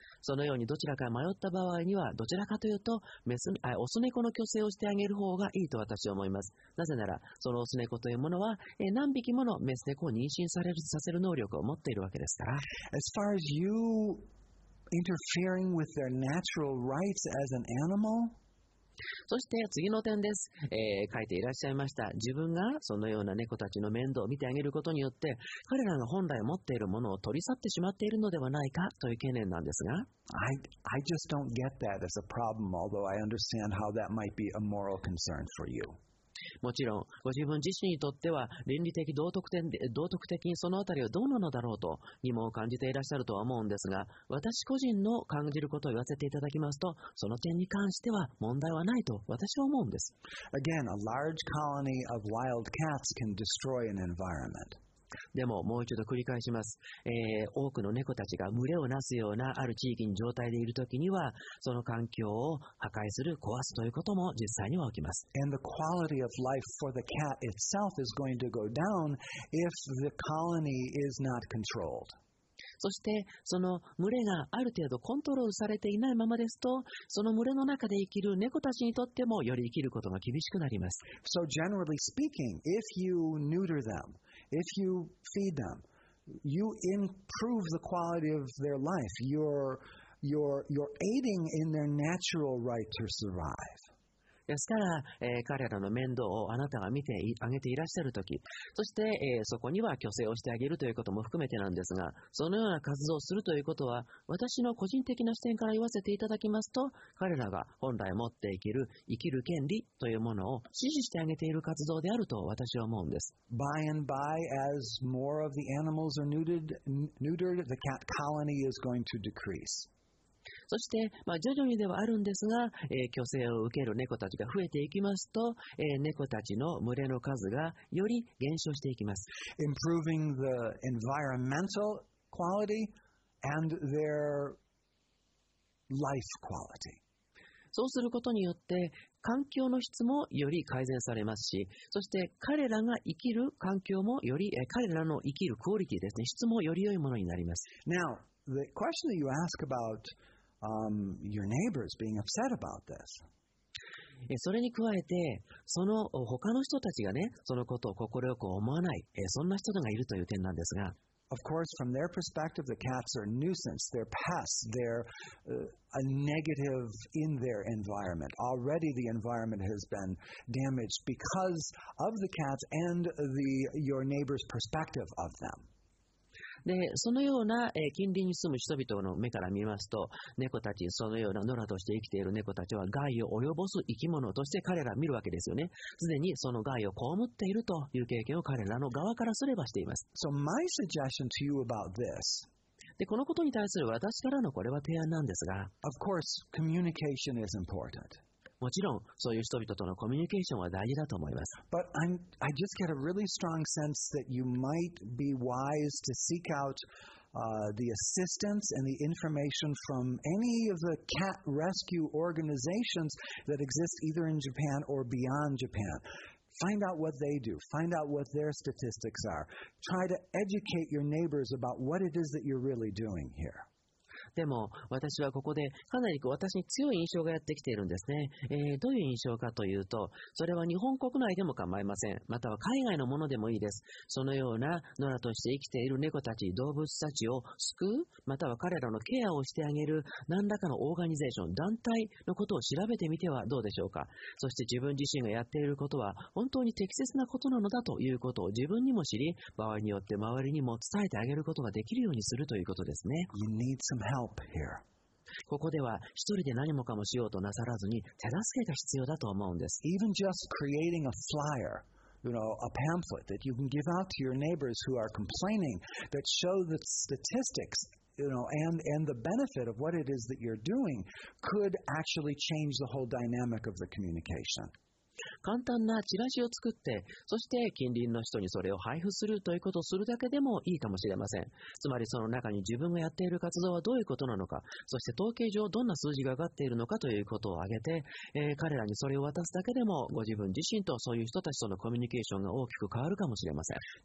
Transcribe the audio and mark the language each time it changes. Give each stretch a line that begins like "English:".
Japanese: そのようにどちらか迷った場合には、どちらかというとオス猫の去勢をしてあげる方がいいと私は思います。なぜならそのオス猫というものは、何匹ものメス猫を妊娠させる能力を持っているわけですから。
English: As far as youinterfering with their natural rights as an animal.
Japanese: そして次の点です。書いていらっしゃいました。自分がそのような猫たちの面倒を見てあげることによって、彼らが本来持っているものを取り去ってしまっているのではないかという懸念なんですが。
English: I just don't get that as a problem, although I understand how that might be a moral concern for you.
Japanese: もちろんご自分自身にとっては倫理的道徳的にそのあたりはどうなのだろうと疑問を感じていらっしゃるとは思うんですが、私個人の感じることを言わせていただきますと、その点に関しては問題はないと私は思うんです。
English: Again, a large colony of wild cats can destroy an environment.
Japanese: でももう一度繰り返します、多くの猫たちが群れをなすようなある地域に状態でいるときには、その環境を破壊する、壊すということも実際には起きます。
English: And the quality of life for the cat itself is going to go down if the colony is not controlled.
Japanese: そしてその群れがある程度コントロールされていないままですと、その群れの中で生きる猫たちにとってもより生きることが厳しくなります。
English: So generally speaking, if you neuter them, if you feed them, you improve the quality of their life. You're you're aiding in their natural right to survive.
Japanese: ですから、彼らの面倒をあなたが見てあげていらっしゃるとき、そして、そこには虚勢をしてあげるということも含めてなんですが、そのような活動をするということは、私の個人的な視点から言わせていただきますと、彼らが本来持って生きる権利というものを支持してあげている活動であると私は思うんです。
English: By and by, as more of the animals are neutered, the cat colony is going to decrease.
Japanese: そして、徐々にではあるんですが、去勢を受ける猫たちが増えていきますと、猫たちの群れの数がより減少していきます。
English: Improving the environmental quality and their life quality.
Japanese: そうすることによって、環境の質もより改善されますし、そして彼らが生きる環境もより、彼らの生きるクオリティですね、質もより良いものになります。
English: Now, the question that you ask aboutyour neighbors being upset about this.
Japanese: それに加えて、その他の人たちがね、そのことを心よく思わない、そんな人がいるという点なんですが。
English: Of course, from their perspective, the cats are nuisance. They're pests. They're a negative in their environment. Already the environment has been damaged because of the cats and your neighbor's perspective of them.
Japanese: でそのような、近隣に住む人々の目から見ますと、猫たち、そのような野良として生きている猫たちは害を及ぼす生き物として彼ら見るわけですよね。すでにその害を被っているという経験を彼らの側からすればしています。
English: So my suggestion to you about this,
Japanese: でこのことに対する私からのこれは提案なんですが、
English: Of course, communication is important.
Japanese: もちろん、そういう人々とのコミュニケーションは大事だと思います。
English: But I just get a really strong sense that you might be wise to seek out, the assistance and the information from any of the cat rescue organizations that exist either in Japan or beyond Japan. Find out what they do. Find out what their statistics are. Try to educate your neighbors about what it is that you're really doing here.
Japanese: でも私はここでかなりこう私に強い印象がやってきているんですね、どういう印象かというと、それは日本国内でも構いません、または海外のものでもいいです。そのような野良として生きている猫たち、動物たちを救う、または彼らのケアをしてあげる何らかのオーガニゼーション、団体のことを調べてみてはどうでしょうか。そして自分自身がやっていることは本当に適切なことなのだということを自分にも知り、場合によって周りにも伝えてあげることができるようにするということですね。
English: Help here.
Japanese: ここでは一人で何もかもしようとなさらずに手助けが必要だと思うんです。
English: Even just creating a flyer, you know, a pamphlet that you can give out to your neighbors who are complaining that show the statistics, you know, and the benefit of what it is that you're doing could actually change the whole dynamic of the communication.
Japanese: 簡単なチラシを作って、そして近隣の人にそれを配布するということをするだけでもいいかもしれません。つまりその中に自分がやっている活動はどういうことなのか、そして統計上どんな数字が上がっているのかということを挙げて、彼らにそれを渡すだけでも、ご自分自身とそういう人たちとのコミュニケーションが大きく変わるかもしれません。